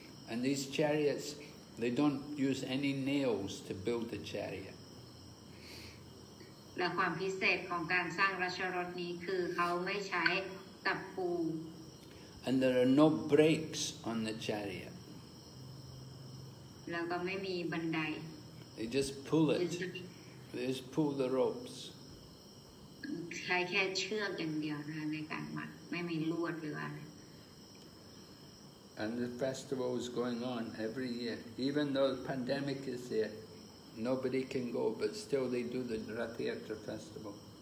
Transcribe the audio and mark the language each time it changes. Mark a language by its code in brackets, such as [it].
[en] And these chariots, they don't use any nails to build the chariot. [th] และความพิเศษของการสร้างราชรถนี้คือเขาไม่ใช้ตะปู [en] And there are no brakes on the chariot. [th] แล้วก็ไม่มีบันได [en] They just pull it. They just pull the ropes. [th] ใช้แค่เชือกอย่างเดียวนะในการมัดไม่มีลวดหรืออะไร [en] And the festival is going on every year. Even though the pandemic is there, nobody can go, but still they do the Rathiyatra festival.